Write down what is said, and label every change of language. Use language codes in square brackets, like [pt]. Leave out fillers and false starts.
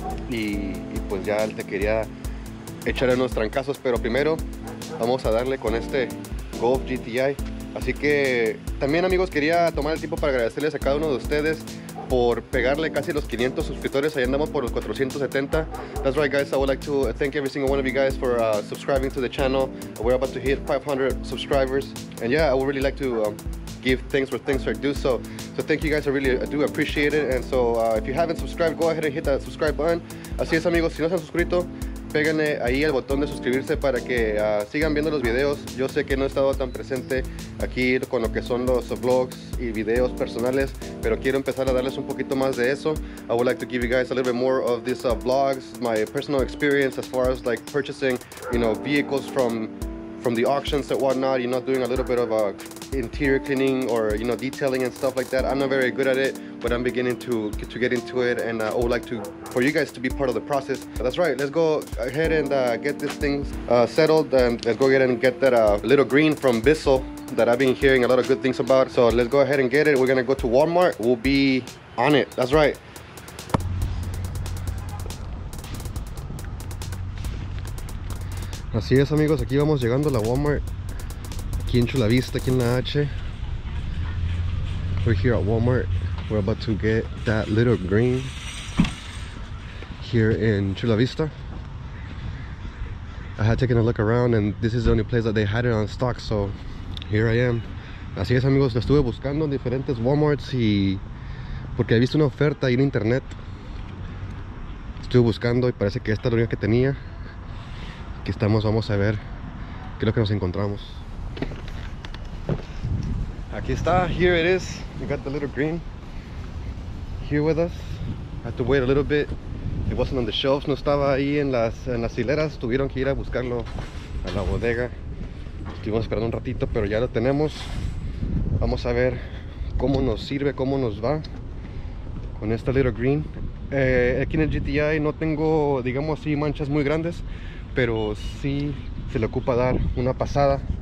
[es] Y pues ya te quería echar unos trancazos, pero primero vamos a darle con este Golf GTI. Así que también, amigos, quería tomar el tiempo para agradecerles a cada uno de ustedes por pegarle casi los 500 suscriptores. Ahí andamos por los 470. [en] That's right, guys, I would like to thank every single one of you guys for subscribing to the channel. We're about to hit 500 subscribers, and yeah, I would really like to give thanks where thanks are due. So thank you guys, I really do appreciate it. And so if you haven't subscribed, go ahead and hit that subscribe button. [es] Así es, amigos, si no se han suscrito, péguenle ahí el botón de suscribirse para que sigan viendo los videos. Yo sé que no he estado tan presente aquí con lo que son los vlogs y videos personales, pero quiero empezar a darles un poquito más de eso. [en] I would like to give you guys a little bit more of these vlogs, my personal experience as far as like purchasing, you know, vehicles from the auctions and whatnot, you know, doing a little bit of interior cleaning or, you know, detailing and stuff like that. I'm not very good at it, but I'm beginning to get into it, and I would like to for you guys to be part of the process. That's right, let's go ahead and get this thing settled, and let's go ahead and get that little green from Bissell that I've been hearing a lot of good things about. So let's go ahead and get it. We're gonna go to Walmart. We'll be on it. That's right. [es] Así es, amigos, aquí vamos llegando a la Walmart. Aquí en Chula Vista, aquí en la H. [en] We're here at Walmart. We're about to get that little green here in Chula Vista. I had taken a look around, and this is the only place that they had it on stock, so here I am. [es] Así es, amigos, lo estuve buscando en diferentes Walmarts y porque he visto una oferta ahí en internet. Estuve buscando y parece que esta es la única que tenía. Aquí estamos, vamos a ver qué es lo que nos encontramos. Aquí está, [en] here it is. We got the little green here with us. I had to wait a little bit. It wasn't on the shelves, [es] no estaba ahí en las hileras. Tuvieron que ir a buscarlo a la bodega. Estuvimos esperando un ratito, pero ya lo tenemos. Vamos a ver cómo nos sirve, cómo nos va con esta little green. Aquí en el GTI no tengo, digamos así, manchas muy grandes, pero sí se le ocupa dar una pasada.